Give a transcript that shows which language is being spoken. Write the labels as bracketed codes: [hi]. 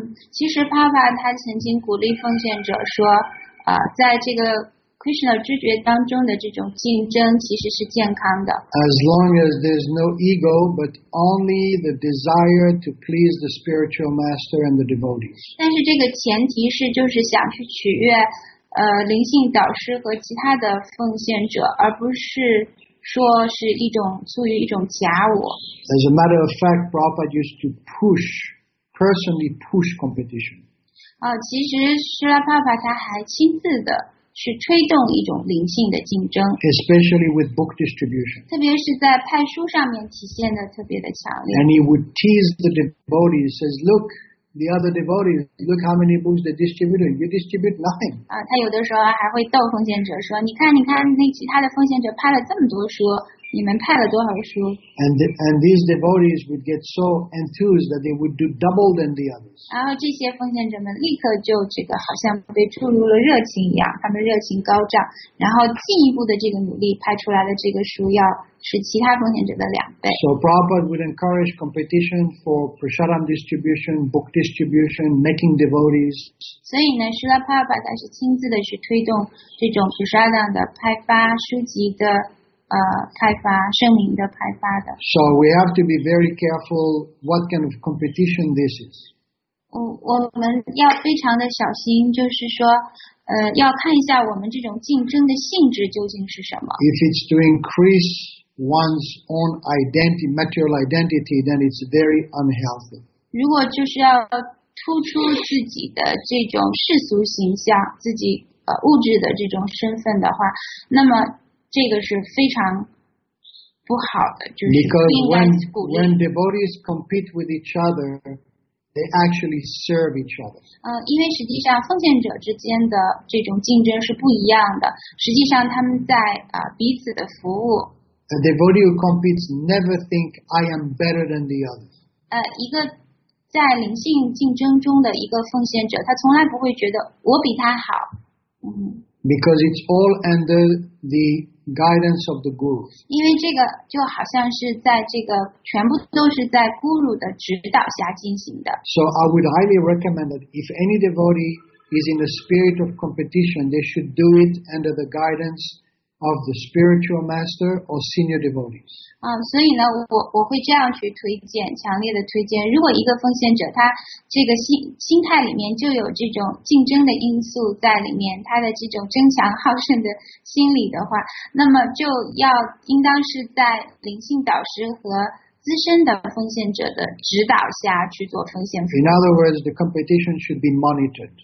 [zh] 其实帕帕他曾经鼓励奉献者说，在这个 Krishna 知觉当中的这种竞争其实是健康的。 [en] As long as there's no ego, but only the desire to please the spiritual master and the devotees. [zh] 但是这个前提是，就是想去取悦。灵性导师和其他的奉献者，而不是说是一种出于一种假我。 [en] As a matter of fact, Prabhupada used to personally push competition. [zh] 其实施拉帕帕他还亲自的去推动一种灵性的竞争。 [en] Especially with book distribution. [zh] 特别是在派书上面体现的特别的强烈。 [en] And he would tease the devotees, says, look. The other devotees, look how many books they distributed. You distribute nothing. [zh] 他有的时候还会逗奉献者说，你看那其他的奉献者派了这么多书，你们派了多少书？ [en] And these devotees would get so enthused that they would do double than the others. [zh] 然后这些奉献者们立刻就这个好像被注入了热情一样，他们热情高涨，然后进一步的这个努力派出来的这个书要是其他奉献者的两倍。 [en] So Prabhupada would encourage competition for prasadam distribution, book distribution, making devotees. [zh] 所以呢，释迦帕帕他是亲自的去推动这种 prasadam 的派发、书籍的派发、圣名的派发的。 [en] So we have to be very careful what kind of competition this is. [zh] 我们要非常的小心，就是说。要看一下我们这种竞争的性质究竟是什么。 [en] If it's to increase one's own identity, material identity, then it's very unhealthy. [zh] 如果就是要突出自己的这种世俗形象，自己物质的这种身份的话，那么这个是非常不好的，就是不应该鼓励。 [en] When devotees compete with each other. They actually serve each other. [zh] 因为实际上奉献者之间的这种竞争是不一样的。实际上他们在彼此的服务。 [en] A devotee who competes never think I am better than the others. [zh] 一个在灵性竞争中的一个奉献者，他从来不会觉得我比他好。 [en] Because it's all under the guidance of the guru. [zh] 因为这个就好像是在这个全部都是在 guru 的指导下进行的。 [en] So I would highly recommend that if any devotee is in the spirit of competition, they should do it under the guidance of the spiritual master or senior devotees. [zh] 所以呢，我会这样去推荐，强烈的推荐。如果一个奉献者他这个心态里面就有这种竞争的因素在里面，他的这种争强好胜的心理的话，那么就要应当是在灵性导师和资深的奉献者的指导下去做奉献。 [en] In other words, the competition should be monitored.